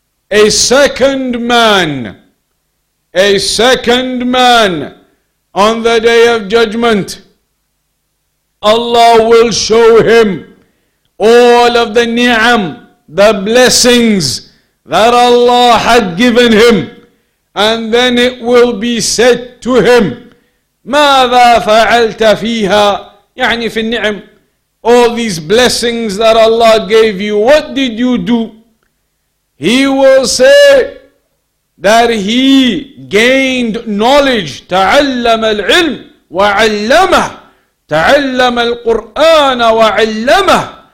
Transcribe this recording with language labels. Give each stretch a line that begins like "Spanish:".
English: A second man, on the day of judgment, Allah will show him all of the ni'am, the blessings that Allah had given him. And then it will be said to him,
Arabic: ماذا فعلت فيها؟ يعني في النعم.
English: All these blessings that Allah gave you, what did you do? He will say that he gained knowledge.
Arabic: تعلم العلم وعلمه. تعلم القرآن وعلمه.